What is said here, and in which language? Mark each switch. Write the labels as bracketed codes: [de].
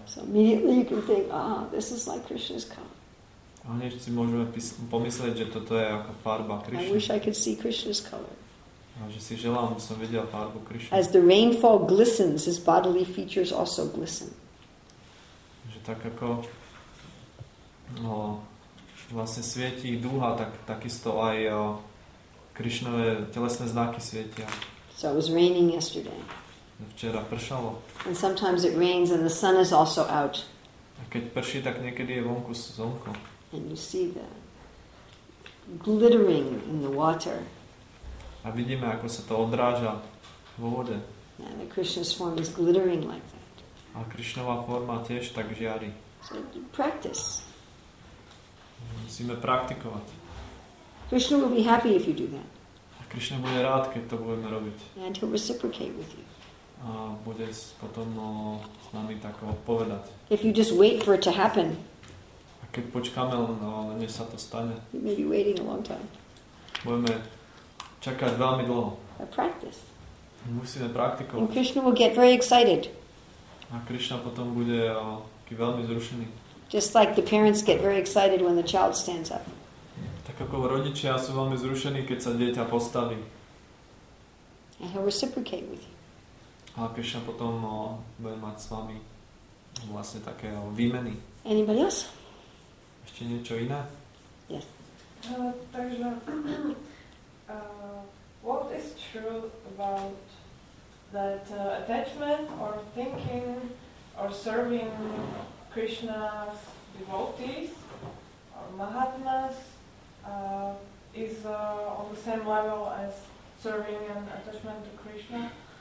[en] So immediately you can think, ah, this is like Krishna's color. [sk] A hneď si môžeme pomyslieť, že toto je ako farba Krishna. [en] I wish I could see Krishna's color. [sk] A že si želám, som videl farbu Krishna. [en] As the rainfall glistens, his bodily features also glisten. [sk] Že tak ako vlastne svieti duha, tak takisto aj Krišnové telesné znaky svietia. [en] So it was raining yesterday. [sk] Včera pršalo. [en] And sometimes it rains and the sun is also out. [sk] A keď prší, tak niekedy je vonku slnko. [en] And you see the glittering in the water. [sk] A vidíme, ako sa to odráža vo vode. [en] And the Krishna's form is glittering like that. [sk] A Krišnová forma tiež tak žiari. [en] So practice. [sk] Musíme praktikovať. [en] Krishna will be happy if you do that. [sk] A Krishna bude rád, keď to budeme robiť. [en] And he'll reciprocate with you. [sk] A bude potom s nami tak odpovedať. [en] If you just wait for it to happen. [sk] A keď počkáme, než sa to stane. [en] You may be waiting a long time. [sk] Budeme čakať veľmi dlho. [en] A practice. [sk] Musíme praktikovať. [en] And Krishna will get very excited. [sk] A Krishna potom bude veľmi zrušený. [en] Just like the parents get very excited when the child stands up. [sk] Tak ako rodičia sú veľmi zrušení, keď sa dieťa postaví. [en] And he'll reciprocate with you. [sk] A Krishna potom bude mať s vami vlastne také výmeny. [en] Anybody else? [sk] Ešte niečo iné? [en] Yes. Takže, what is true about that attachment or thinking or serving Krishna's devotees or Mahatmas is on the same level as serving an attachment to Krishna?